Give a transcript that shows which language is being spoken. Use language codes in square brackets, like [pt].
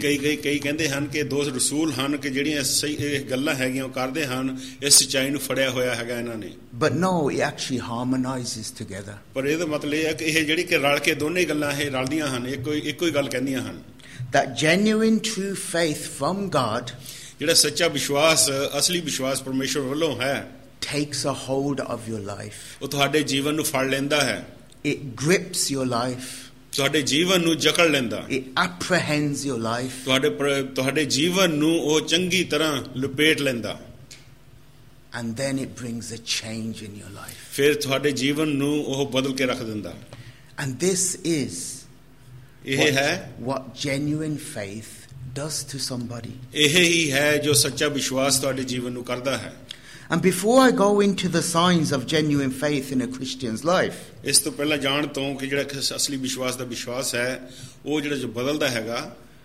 [pa] ਕਈ ਕਹਿੰਦੇ ਹਨ ਕਿ ਦੋ ਰਸੂਲ ਹਨ ਕਿ ਜਿਹੜੀਆਂ ਸਹੀ ਗੱਲਾਂ ਹੈਗੀਆਂ ਉਹ ਕਰਦੇ ਹਨ, ਇਸ ਸੱਚਾਈ ਨੂੰ ਫੜਿਆ ਹੋਇਆ ਹੈਗਾ ਇਹਨਾਂ ਨੇ. [en] But no, it actually harmonizes together. [pa] ਪਰ ਇਹਦਾ ਮਤਲਬ ਇਹ ਹੈ ਕਿ ਇਹ ਜਿਹੜੀ ਕਿ ਰਲ ਕੇ ਦੋਨੇ ਗੱਲਾਂ ਇਹ ਰਲਦੀਆਂ ਹਨ, ਇੱਕੋ ਹੀ ਗੱਲ ਕਹਿੰਦੀਆਂ ਹਨ. [en] That genuine true faith from God, [pa] ਜਿਹੜਾ ਸੱਚਾ ਵਿਸ਼ਵਾਸ, ਅਸਲੀ ਵਿਸ਼ਵਾਸ ਪਰਮੇਸ਼ਵਰ ਵੱਲੋਂ ਹੈ, [en] takes a hold of your life. [pa] ਉਹ ਤੁਹਾਡੇ ਜੀਵਨ ਨੂੰ ਫੜ ਲੈਂਦਾ ਹੈ. [en] It grips your life. [pa] ਤੁਹਾਡੇ ਜੀਵਨ ਨੂੰ ਜਕੜ ਲੈਂਦਾ. [en] It apprehends your life. [pa] ਤੁਹਾਡੇ ਜੀਵਨ ਨੂੰ ਉਹ ਚੰਗੀ ਤਰ੍ਹਾਂ ਲਪੇਟ ਲੈਂਦਾ. [en] And then it brings a change in your life. [pa] ਫਿਰ ਤੁਹਾਡੇ ਜੀਵਨ ਨੂੰ ਉਹ ਬਦਲ ਕੇ ਰੱਖ ਦਿੰਦਾ. [en] And this is [pa] ਇਹ ਹੈ [en] what genuine faith does to somebody. [pa] ਇਹ ਹੀ ਹੈ ਜੋ ਸੱਚਾ ਵਿਸ਼ਵਾਸ ਤੁਹਾਡੇ ਜੀਵਨ ਨੂੰ ਕਰਦਾ ਹੈ. [en] And before I go into the signs of genuine faith in a Christian's life, [pa] ਇਸ ਤੋਂ ਪਹਿਲਾਂ ਜਾਣ ਤੋਂ ਕਿ ਜਿਹੜਾ ਅਸਲੀ ਵਿਸ਼ਵਾਸ ਦਾ ਵਿਸ਼ਵਾਸ ਹੈ ਉਹ ਜਿਹੜਾ ਜੋ ਬਦਲਦਾ ਹੈਗਾ,